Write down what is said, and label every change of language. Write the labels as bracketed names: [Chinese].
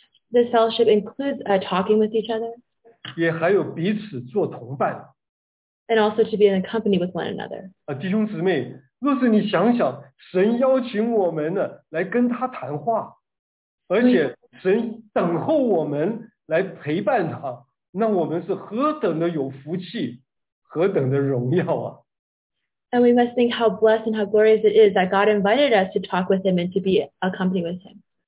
[English] This fellowship includes talking with each other. [Chinese] 也还有彼此做同伴。 [English] And also to be in company with one another. [Chinese] 弟兄姊妹，若是你想想，神邀请我们呢，来跟他谈话， 而且神等候我们来陪伴他。那我们是何等的有福气，何等的荣耀啊！ [English] And we must think how blessed and how glorious it is that God invited us to talk with Him and to be accompanied with Him.